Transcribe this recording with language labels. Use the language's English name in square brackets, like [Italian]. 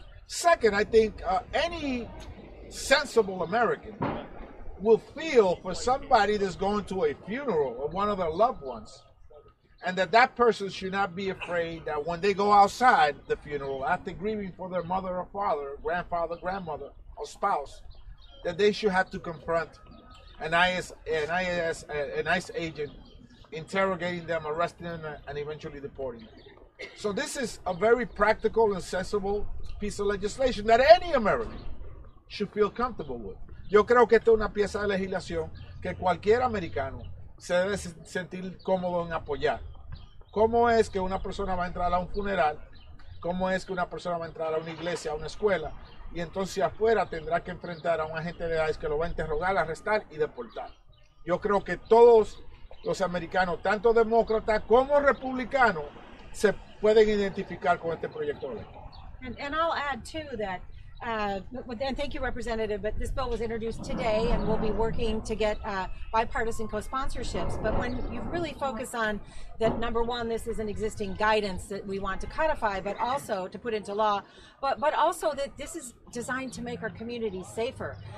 [English] Second, I think any sensible American will feel for somebody that's going to a funeral of one of their loved ones, and that that person should not be afraid that when they go outside the funeral, after grieving for their mother or father, grandfather, grandmother, or spouse, that they should have to confront an ICE agent interrogating them, arresting them, and eventually deporting them. So this is a very practical and sensible piece of legislation that any American should feel comfortable with. [Spanish] Yo creo que esta es una pieza de legislación que cualquier americano se debe sentir cómodo en apoyar. ¿Cómo es que una persona va a entrar a un funeral? ¿Cómo es que una persona va a entrar a una iglesia, a una escuela? Y entonces afuera tendrá que enfrentar a un agente de ICE que lo va a interrogar, arrestar y deportar. Yo creo que todos los americanos, tanto demócratas como republicanos, se pueden identificar con este proyecto de ley. [English] And I'll add too that, and thank you, Representative, but this bill was introduced today and we'll be working to get bipartisan co-sponsorships. But when you really focus on that, number one, this is an existing guidance that we want to codify, but also to put into law, but also that this is designed to make our community safer.